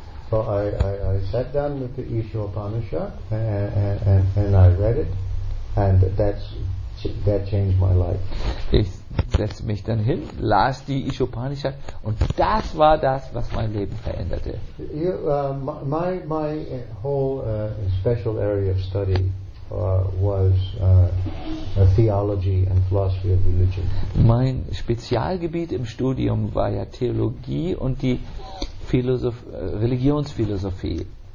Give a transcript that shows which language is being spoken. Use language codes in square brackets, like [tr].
[en] So I sat down with the Isha Upanishad and I read it, and that changed my life. [de] Ich setzte mich dann hin, las die Isha Upanishad, und das war das, was mein Leben veränderte. [en] My whole special area of study was a theology and philosophy of religion. [de] Mein Spezialgebiet im Studium war ja Theologie und die Religionsphilosophie.